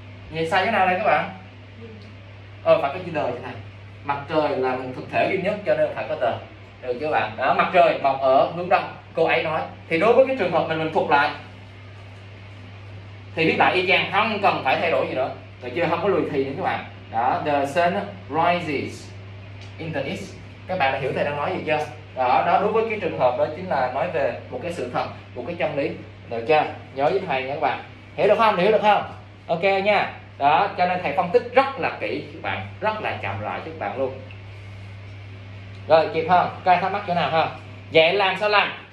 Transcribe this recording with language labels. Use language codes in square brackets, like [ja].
[vi] Nhìn sai chỗ nào đây các bạn? Phải có chữ đời thế này. Mặt trời là một thực thể duy nhất cho nên phải có tờ. Được chưa bạn? Đó, mặt trời mọc ở hướng đông, cô ấy nói. Thì đối với cái trường hợp mình thuộc lại thì biết lại y chang, không cần phải thay đổi gì nữa. Được chưa? Không có lùi thì nữa các bạn. [en] Đó, the sun rises in the east. [vi] Các bạn đã hiểu thầy đang nói gì chưa? Đó, đối với cái trường hợp đó chính là nói về một cái sự thật, một cái chân lý. Được chưa? Nhớ với thầy nha các bạn. Hiểu được không? Ok nha. Đó, cho nên thầy phân tích rất là kỹ các bạn, rất là chậm rãi các bạn luôn. Rồi, kịp không? Có ai thắc mắc chỗ nào không? Vậy làm sao làm?